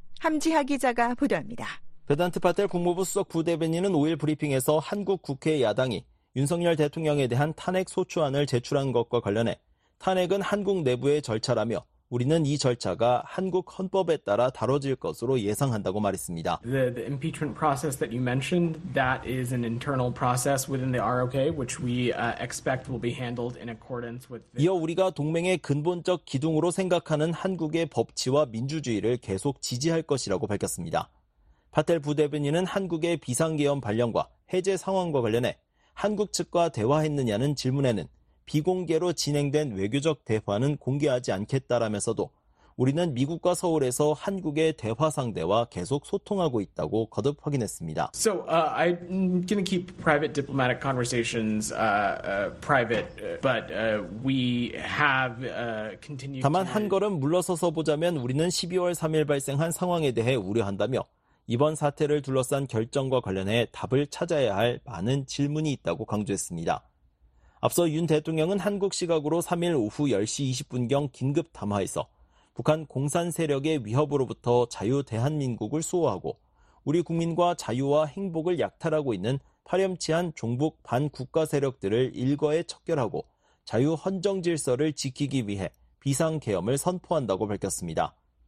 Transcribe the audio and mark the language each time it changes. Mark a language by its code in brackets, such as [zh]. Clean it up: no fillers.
[ko] 함지하 기자가 보도합니다. 베단트 파텔 국무부 수석 부대변인은 5일 브리핑에서 한국 국회 야당이 윤석열 대통령에 대한 탄핵 소추안을 제출한 것과 관련해 탄핵은 한국 내부의 절차라며 우리는 이 절차가 한국 헌법에 따라 다뤄질 것으로 예상한다고 말했습니다. [en] The impeachment process that you mentioned, that is an internal process within the ROK, which we expect will be handled in accordance with. [ko] 이어 우리가 동맹의 근본적 기둥으로 생각하는 한국의 법치와 민주주의를 계속 지지할 것이라고 밝혔습니다. 파텔 부대변인은 한국의 비상계엄 발령과 해제 상황과 관련해 한국 측과 대화했느냐는 질문에는 비공개로 진행된 외교적 대화는 공개하지 않겠다라면서도 우리는 미국과 서울에서 한국의 대화 상대와 계속 소통하고 있다고 거듭 확인했습니다. [en] So I'm going to keep private diplomatic conversations private, but we have continued. [ko] 다만 한 걸음 물러서서 보자면 우리는 12월 3일 발생한 상황에 대해 우려한다며 이번 사태를 둘러싼 결정과 관련해 답을 찾아야 할 많은 질문이 있다고 강조했습니다. 앞서 윤 대통령은 한국 시각으로 3일 오후 10시 20분경 긴급 담화에서 북한 공산 세력의 위협으로부터 자유 대한민국을 수호하고 우리 국민과 자유와 행복을 약탈하고 있는 파렴치한 종북 반국가 세력들을 일거에 척결하고 자유 헌정 질서를 지키기 위해 비상 계엄을 선포한다고 밝혔습니다.